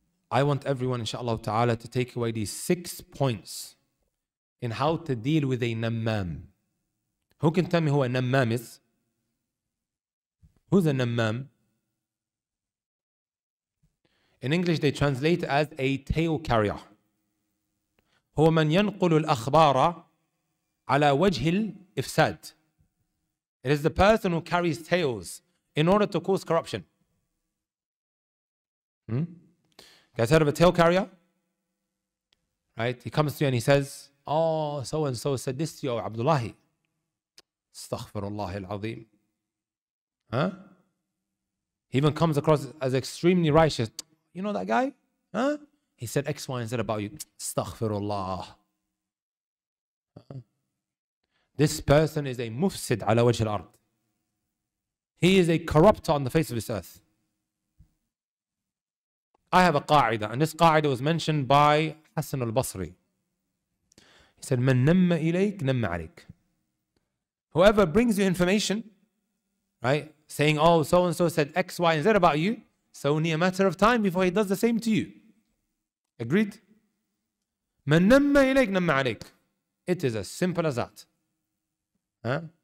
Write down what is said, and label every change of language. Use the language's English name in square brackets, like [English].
[English] I want everyone, inshallah ta'ala, to take away these 6 points in how to deal with a nammam. Who can tell me who a nammam is? Who's a nammam? In English, they translate as a tale carrier. [Arabic] هو من ينقل الأخبار على وجه الإفساد. [English] It is the person who carries tales in order to cause corruption. Guys heard of a tale carrier? Right? He comes to you and he says, oh, so-and-so said this to you, Abdullah. Astaghfirullah al-Azim. Huh? He even comes across as extremely righteous. You know that guy? Huh? He said X, Y, and Z about you. Astaghfirullah. This person is a mufsid ala wajh al-ard. He is a corrupter on the face of this earth. I have a qa'idah, and this qa'idah was mentioned by [Arabic] حسن البصري. He said, من نم إليك نم عليك. [English] Whoever brings you information, right, saying, oh, so and so said X, Y, and Z about you, it's only a matter of time before he does the same to you. [Arabic] Agreed? من نم إليك نم عليك. [English] It is as simple as that. Huh?